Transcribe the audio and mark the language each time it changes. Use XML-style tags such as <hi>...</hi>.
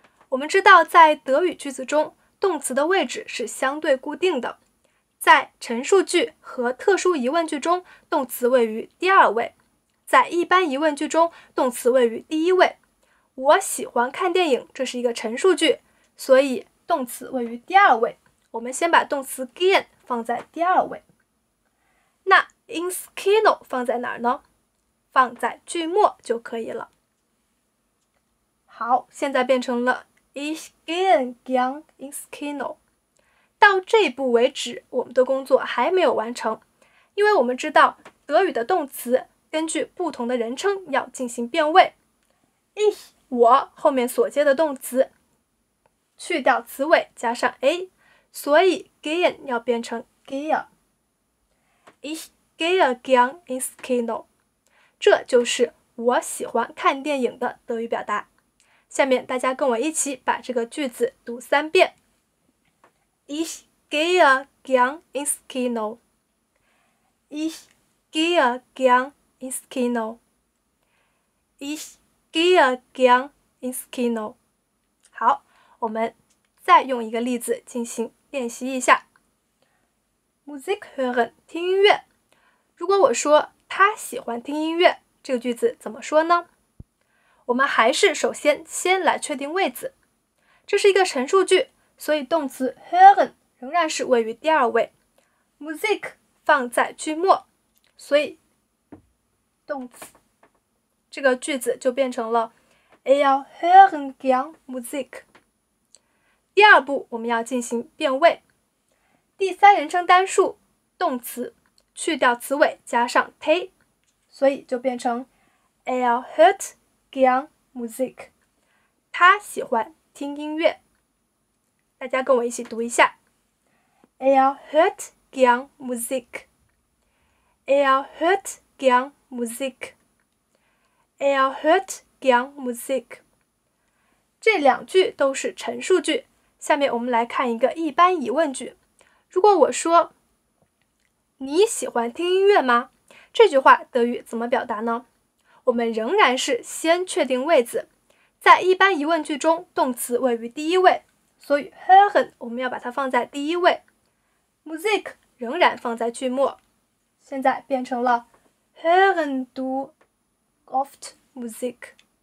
<zh>我们知道，在德语句子中，动词的位置是相对固定的，在陈述句和特殊疑问句中，动词位于第二位，在一般疑问句中，动词位于第一位。我喜欢看电影，这是一个陈述句，所以动词位于第二位。我们先把动词 gehen 放在第二位。那 ins Kino 放在哪儿呢？放在句末就可以了。好，现在变成了</zh> <de>Ich gehe gern ins Kino。</de> <zh>到这一步为止，我们的工作还没有完成，因为我们知道德语的动词根据不同的人称要进行变位。 Ich 我后面所接的动词，去掉词尾加上 a， 所以 gehen 要变成 gehe。</zh> <de>Ich gehe gern ins Kino。</de> <zh>这就是我喜欢看电影的德语表达。下面大家跟我一起把这个句子读三遍。</zh> <de>Ich gehe gern ins Kino. Ich gehe gern ins Kino. Ich gehe gern ins Kino.</de> <zh>好，我们再用一个例子进行练习一下。</zh> <de>Musik hören,</de> <zh>听音乐。如果我说他喜欢听音乐，这个句子怎么说呢？我们还是首先来确定位置，这是一个陈述句，所以动词 hören 仍然是位于第二位， Musik 放在句末，所以动词这个句子就变成了</zh> <de>Er hören gern Musik。</de> <zh>第二步我们要进行变位，第三人称单数动词去掉词尾加上 te， 所以就变成</zh> <de>Er hört gern Musik，</de> <zh>他喜欢听音乐。大家跟我一起读一下</zh> <de>：Er hört gern Musik， Er hört gern Musik， Er hört gern Musik。</de> <zh>这两句都是陈述句，下面我们来看一个一般疑问句。如果我说你喜欢听音乐吗？这句话德语怎么表达呢？我们仍然是先确定位置，在一般疑问句中，动词位于第一位，所以 hören 我们要把它放在第一位， Musik 仍然放在句末，现在变成了</zh> <de>hören du oft Musik。</de>